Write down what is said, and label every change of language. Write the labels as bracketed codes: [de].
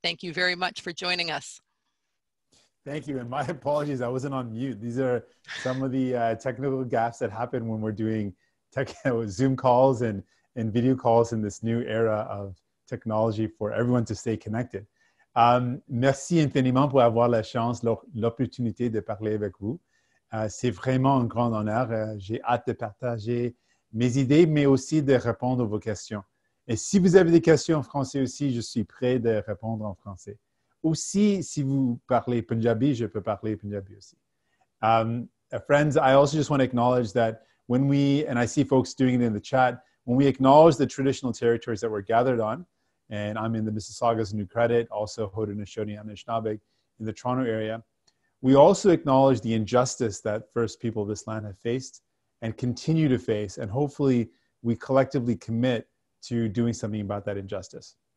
[en] Thank you very much for joining us. Thank you. And my apologies, I wasn't on mute. These are some of the technical gaffes that happen when we're doing Zoom calls and video calls in this new era of technology for everyone to stay connected. [fr] Merci infiniment pour avoir la chance, l'opportunité de parler avec vous. C'est vraiment un grand honneur. J'ai hâte de partager mes idées, mais aussi de répondre à vos questions. Et si vous avez des questions en français aussi, je suis prêt de répondre en français. Aussi, si vous parlez Punjabi, je peux parler Punjabi aussi. [en] Friends, I also just want to acknowledge that when we, and I see folks doing it in the chat, when we acknowledge the traditional territories that we're gathered on, and I'm in the Mississaugas of New Credit, also Haudenosaunee Anishinaabe in the Toronto area, we also acknowledge the injustice that First People of this land have faced and continue to face, and hopefully we collectively commit to doing something about that injustice.